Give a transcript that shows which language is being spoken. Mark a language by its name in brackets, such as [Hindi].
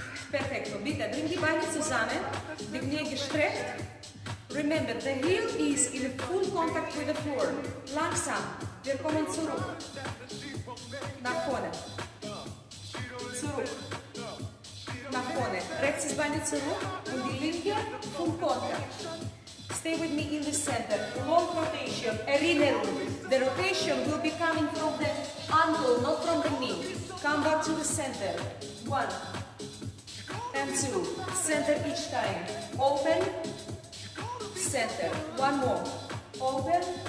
[German] Perfekt, bitte bring die Beine zusammen, die Knie gestreckt, [English] Remember, the heel is in full contact with the floor. [German] Langsam, wir kommen zurück. Nach vorne. Zurück. Nach vorne. Rechtes Bein zurück und die linke [English] full contact. Stay with me in the center. Long rotation. [German] Erinnerung. [English] The rotation will be coming from the ankle, not from the knee. Come back to the center. One. And two. Center each time. Open. Center. One more. Open.